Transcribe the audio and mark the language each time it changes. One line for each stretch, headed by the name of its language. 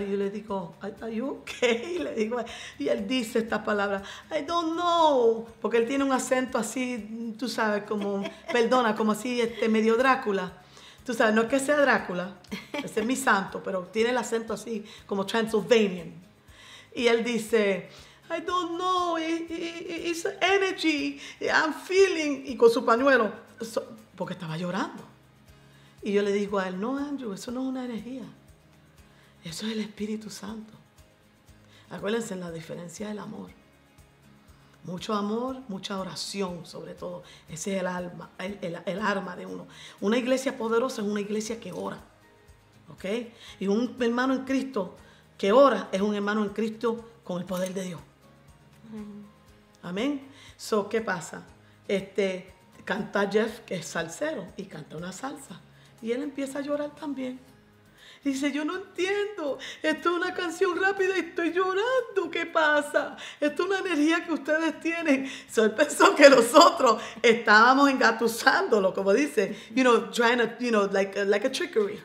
Spanish: Y yo le digo,
English: ¿Are you okay?
Spanish: Y, le digo, y él dice estas palabras,
English: I don't know.
Spanish: Porque él tiene un acento así, tú sabes, como, perdona, como así medio Drácula. Tú sabes, no es que sea Drácula, ese es mi santo, pero tiene el acento así como Transylvanian. Y él dice,
English: I don't know, it's energy, I'm feeling.
Spanish: Y con su pañuelo, porque estaba llorando. Y yo le digo a él, no, Andrew, eso no es una energía. Eso es el Espíritu Santo. Acuérdense en la diferencia del amor. Mucho amor, mucha oración, sobre todo. Ese es el arma de uno. Una iglesia poderosa es una iglesia que ora. ¿Ok? Y un hermano en Cristo que ora es un hermano en Cristo con el poder de Dios. Amén. So, ¿qué pasa? Canta Jeff, que es salsero, y canta una salsa. Y él empieza a llorar también. Dice, yo no entiendo. Esto es una canción rápida y estoy llorando. ¿Qué pasa? Esto es una energía que ustedes tienen. So, él pensó que nosotros estábamos engatusándolo, como dice.
English: You know, like a trickery.